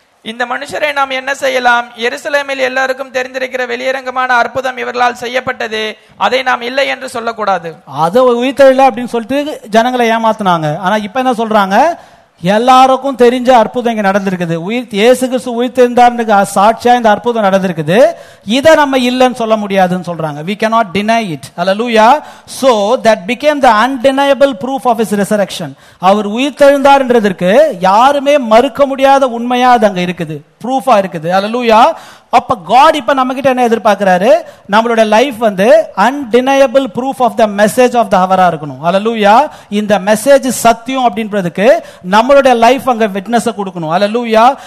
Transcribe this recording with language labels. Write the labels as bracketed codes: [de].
[ta] இந்த மனுஷரை நாம் என்ன செய்யலாம், எருசலேமில் எல்லாருக்கும் தெரிந்திருக்கிற வெளியரங்கமான அற்புதம் இவர்களால் செய்யப்பட்டது, அதை நாம் இல்லை என்று சொல்லக்கூடாது. அது உயிர்த்தெழல அப்படின்னு சொல்லிட்டு ஜனங்களை ஏமாத்தினாங்க. ஆனா இப்ப என்ன சொல்றாங்க, எல்லாருக்கும் தெரிஞ்ச அற்புதம் இங்க நடந்திருக்குது. உயிர் இயேசு கிறிஸ்து உயிர்த்தெழுந்தார்னு சாட்சியா இந்த அற்புதம் நடந்திருக்குது. இதை நம்ம இல்லைன்னு சொல்ல முடியாதுன்னு சொல்றாங்க. [en] We cannot deny it. Hallelujah. So that became the undeniable proof of his resurrection. [ta] அவர் உயிர்த்தெழுந்தார்ன்றதுக்கு யாருமே மறுக்க முடியாத உண்மையா அது அங்க இருக்குது, ப்ரூஃபா இருக்குது. Hallelujah. அப்ப காட் இப்ப நம்ம கிட்ட என்ன எதிர்பார்க்கிறாரு, நம்மளோட லைஃப் வந்து [en] undeniable proof of the message of the ஹவரா [ta] இருக்கணும். Hallelujah. இந்த மெசேஜ் சத்தியம் அப்படின்றதுக்கு நம்மளுடைய லைஃப் அங்க விட்னஸ் கொடுக்கணும். Hallelujah.